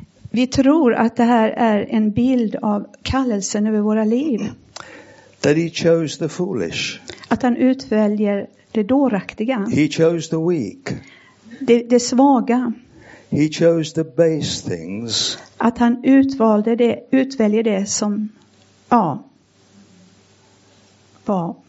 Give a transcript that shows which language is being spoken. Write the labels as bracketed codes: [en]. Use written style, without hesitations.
[sv] Vi tror att det här är en bild av kallelsen över våra liv. [en] That he chose the foolish. [sv] Att han utväljer det dåraktiga. [en] He chose the weak. [sv] Det svaga. [en] He chose the base things. [sv] Att han utvalde det, utväljer det som ja, var